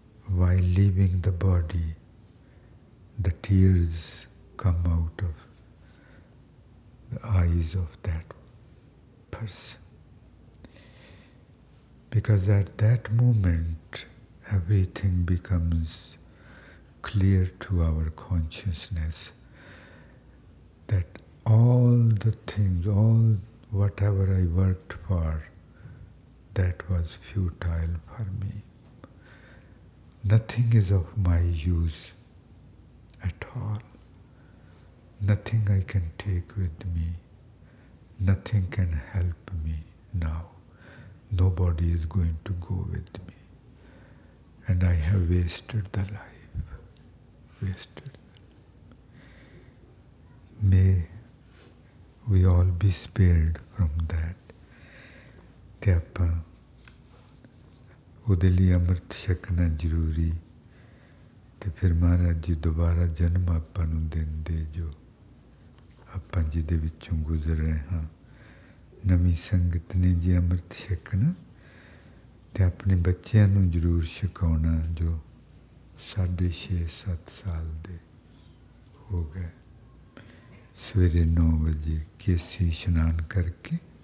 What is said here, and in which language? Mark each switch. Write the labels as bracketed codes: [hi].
[en] While leaving the body the tears come out of the eyes of that person, because at that moment everything becomes clear to our consciousness. that all the things, all whatever I worked for, that was futile for me. Nothing is of my use at all. Nothing I can take with me. Nothing can help me now. Nobody is going to go with me. And I have wasted the life. Wasted. May we all be spared from that. Tyapa. [pa] ਉਹਦੇ ਲਈ ਅੰਮ੍ਰਿਤ ਛਕਣਾ ਜ਼ਰੂਰੀ ਅਤੇ ਫਿਰ ਮਹਾਰਾਜ ਜੀ ਦੁਬਾਰਾ ਜਨਮ ਆਪਾਂ ਨੂੰ ਦਿੰਦੇ ਜੋ ਆਪਾਂ ਜਿਹਦੇ ਵਿੱਚੋਂ ਗੁਜ਼ਰ ਰਹੇ ਹਾਂ ਨਵੀਂ ਸੰਗਤ ਨੇ ਜੀ ਅੰਮ੍ਰਿਤ ਛਕਣਾ ਅਤੇ ਆਪਣੇ ਬੱਚਿਆਂ ਨੂੰ ਜ਼ਰੂਰ ਛਕਾਉਣਾ ਜੋ 6.5-7 ਸਾਲ ਦੇ ਹੋ ਗਏ ਸਵੇਰੇ 9 ਵਜੇ ਕੇਸੀ ਇਸ਼ਨਾਨ ਕਰਕੇ